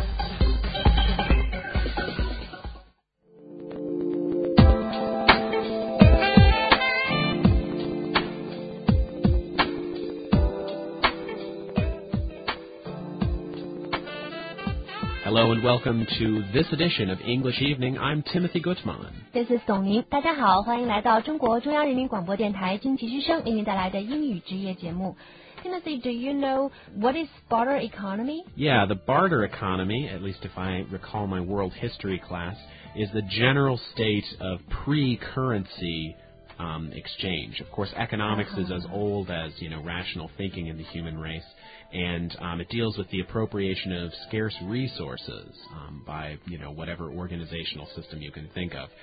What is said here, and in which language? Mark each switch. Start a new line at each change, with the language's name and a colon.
English: Hello and welcome to this edition of English Evening. I'm Timothy Gutman. This is Dong Ning.
Chinese: 大家好，欢迎来到中国中央人民广播电台经济之声为您带来的英语职业节目。
English: Timothy, do you know what is barter economy? Yeah, the barter economy, at least if I recall my world history class, is the general state of pre-currency exchange. Of course, economics is as old as, you know, rational thinking in the human race, and it deals with the appropriation of scarce resources by, you know, whatever organizational system you can think of.